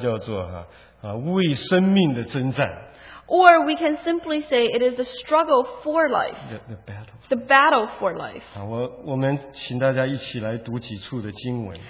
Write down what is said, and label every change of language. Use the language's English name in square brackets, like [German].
[Chinese] 或者我们简单的称它叫做为生命的征战。 [English] Or we can simply say it is the struggle for life. The battle for life. [Chinese] 我们请大家一起来读几处的经文。